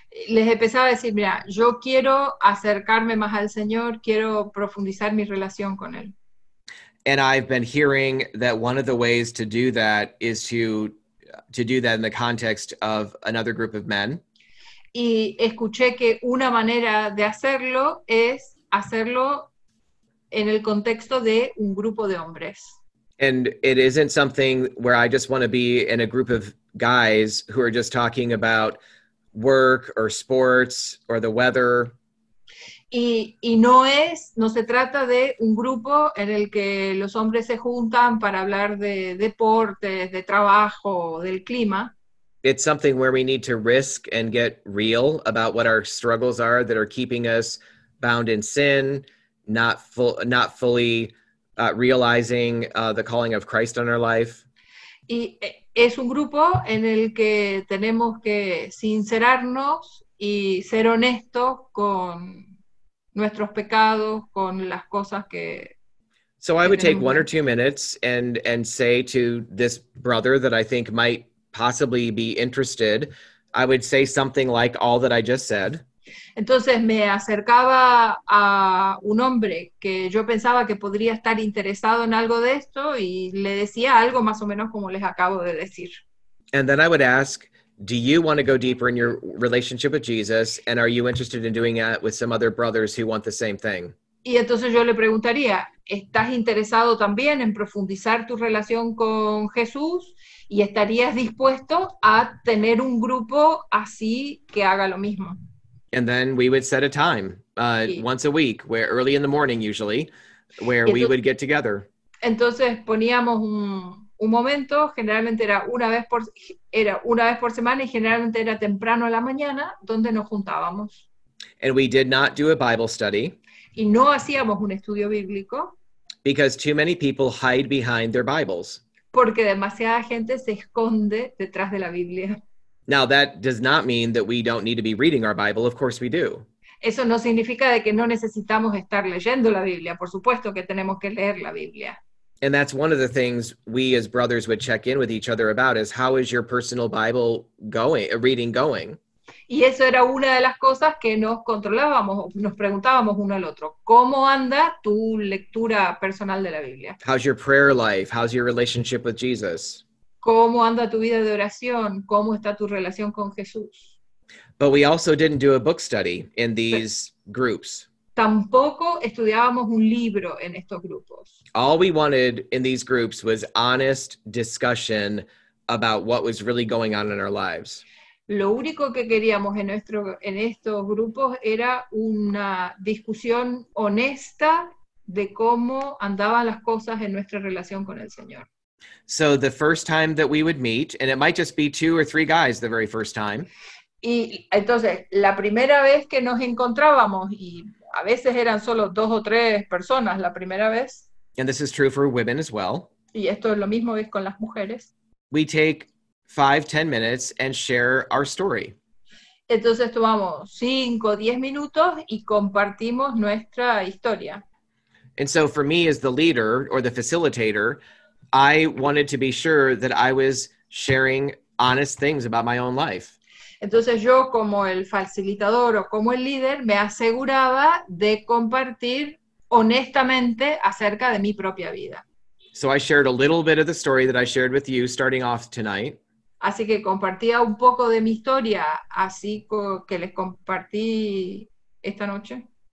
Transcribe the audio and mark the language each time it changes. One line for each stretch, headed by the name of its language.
Spanish: Les empezaba a decir, mira, yo quiero acercarme más al Señor, quiero profundizar mi relación con él.
English: And I've been hearing that one of the ways to do that is to do that in the context of another group of men.
Spanish: Y escuché que una manera de hacerlo es hacerlo en el contexto de un grupo de hombres.
English: And it isn't something where I just want to be in a group of guys who are just talking about work or sports or the weather.
Spanish: Y no es, no se trata de un grupo en el que los hombres se juntan para hablar de deportes, de trabajo, del clima.
English: It's something where we need to risk and get real about what our struggles are that are keeping us bound in sin, not fully realizing the calling of Christ on our life.
Spanish: Y es un grupo en el que tenemos que sincerarnos y ser honestos con nuestros pecados, con las cosas que...
English: So I would take one or two minutes and say to this brother that I think might possibly be interested, I would say something like all that I just said.
Spanish: Entonces me acercaba a un hombre que yo pensaba que podría estar interesado en algo de esto y le decía algo más o menos como les acabo de decir.
English: And then I would ask, do you want to go deeper in your relationship with Jesus, and are you interested in doing that with some other brothers who want the same thing?
Spanish: Y entonces yo le preguntaría, ¿estás interesado también en profundizar tu relación con Jesús y estarías dispuesto a tener un grupo así que haga lo mismo?
English: And then we would set a time, once a week, where early in the morning usually, where
Spanish: entonces,
English: we would get together.
Spanish: Entonces poníamos un momento, generalmente era una vez por semana y generalmente era temprano a la mañana donde nos juntábamos.
English: And we did not do a Bible study.
Spanish: Y no hacíamos un estudio bíblico.
English: Because too many people hide behind their Bibles.
Spanish: Porque demasiada gente se esconde detrás de la Biblia.
English: Now, that does not mean that we don't need to be reading our Bible. Of course we do.
Spanish: Eso no significa de que no necesitamos estar leyendo la Biblia. Por supuesto que tenemos que leer la Biblia.
English: And that's one of the things we as brothers would check in with each other about is how is your personal Bible going, reading going?
Spanish: Y eso era una de las cosas que nos controlábamos, nos preguntábamos uno al otro. ¿Cómo anda tu lectura personal de la Biblia?
English: How's your prayer life? How's your relationship with Jesus?
Spanish: ¿Cómo anda tu vida de oración? ¿Cómo está tu relación con Jesús?
English: But we also didn't do a book study in these groups.
Spanish: Tampoco estudiábamos un libro en estos grupos.
English: All we wanted in these groups was honest discussion about what was really going on in our lives.
Spanish: Lo único que queríamos en estos grupos era una discusión honesta de cómo andaban las cosas en nuestra relación con el Señor.
English: So the first time that we would meet, and it might just be two or three guys the very first time.
Spanish: Y entonces, la primera vez que nos encontrábamos, y a veces eran solo dos o tres personas la primera vez.
English: And this is true for women as well.
Spanish: Y esto es lo mismo es con las mujeres.
English: We take 5-10 minutes and share our story.
Spanish: Entonces tomamos 5-10 minutos y compartimos nuestra historia.
English: And so for me as the leader or the facilitator, I wanted to be sure that I was sharing honest things about my own life.
Spanish: Entonces yo como el facilitador o como el líder me aseguraba de compartir honestamente acerca de mi propia vida.
English: So I shared a little bit of the story that I shared with you starting off tonight.
Spanish: Así que compartía un poco de mi historia, así que les compartí esta noche.